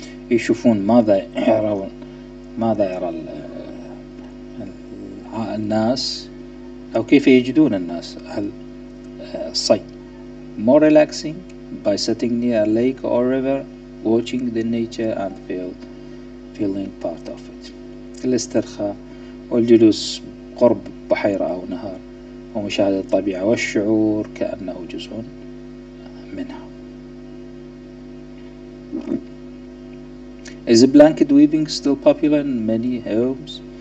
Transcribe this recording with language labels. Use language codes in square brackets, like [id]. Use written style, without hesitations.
[ar] يشوفون ماذا يرى الناس أو كيف يجدون الناس الصيد. [en] More relaxing by sitting near a lake or river, watching the nature and feeling part of it. [ar] الاسترخاء والجلوس قرب بحيرة أو نهر ومشاهدة الطبيعة والشعور كأنه جزء منها. [en] Is blanket weaving still popular in many homes?